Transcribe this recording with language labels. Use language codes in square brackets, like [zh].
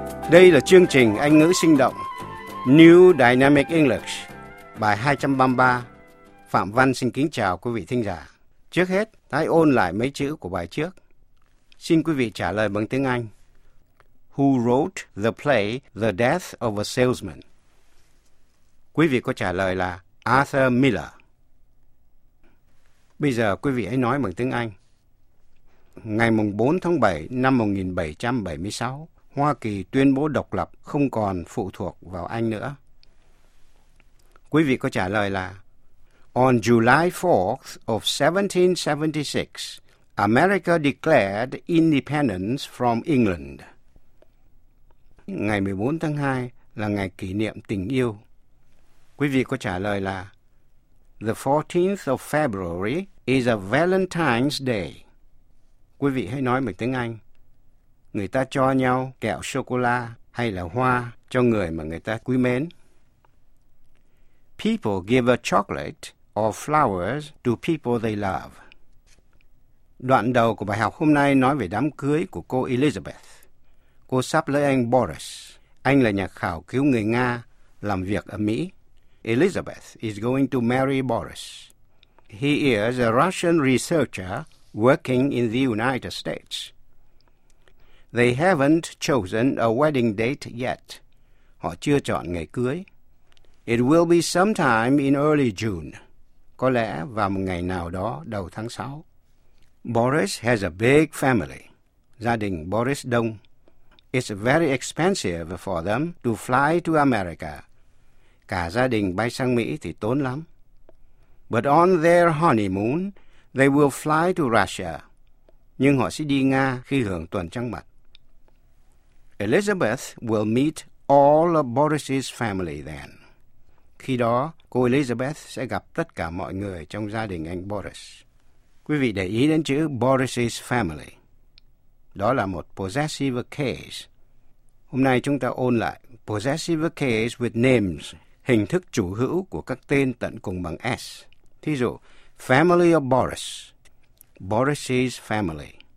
[vi] Đây là chương trình Anh ngữ sinh động New Dynamic English, bài 233. Phạm Văn xin kính chào quý vị thính giả. Trước hết, hãy ôn lại mấy chữ của bài trước. Xin quý vị trả lời bằng tiếng Anh. [en] Who wrote the play The Death of a Salesman? [vi] Quý vị có trả lời là Arthur Miller. Bây giờ quý vị hãy nói bằng tiếng Anh. Ngày 4 tháng 7 năm 1776, Hoa Kỳ tuyên bố độc lập, không còn phụ thuộc vào Anh nữa. Quý vị có trả lời là [en] On July 4th of 1776, America declared independence from England. [vi] Ngày 14 tháng 2 là ngày kỷ niệm tình yêu. Quý vị có trả lời là [en] The 14th of February is a Valentine's Day. [vi] Quý vị hãy nói bằng tiếng Anh. Người ta cho nhau kẹo sô-cô-la hay là hoa cho người mà người ta quý mến. [en] People give a chocolate or flowers to people they love. [vi] Đoạn đầu của bài học hôm nay nói về đám cưới của cô Elizabeth. Cô sắp lấy anh Boris. Anh là nhà khảo cứu người Nga làm việc ở Mỹ. [en] Elizabeth is going to marry Boris. He is a Russian researcher working in the United States. They haven't chosen a wedding date yet. [vi] Họ chưa chọn ngày cưới. [en] It will be sometime in early June. [vi] Có lẽ vào một ngày nào đó đầu tháng 6. [en] Boris has a big family. [vi] Gia đình Boris đông. [en] It's very expensive for them to fly to America. [vi] Cả gia đình bay sang Mỹ thì tốn lắm. [en] But on their honeymoon, they will fly to Russia. [vi] Nhưng họ sẽ đi Nga khi hưởng tuần trăng mật. [en] Elizabeth will meet all of Boris's family then. [vi] Khi đó, cô Elizabeth sẽ gặp tất cả mọi người trong gia đình anh Boris. Quý vị để ý đến chữ [en] Boris's family. [vi] Đó là một possessive case. Hôm nay chúng ta ôn lại [en] possessive case with names, [vi] hình thức chủ hữu của các tên tận cùng bằng S. Thí dụ, [en] family of Boris, Boris's family.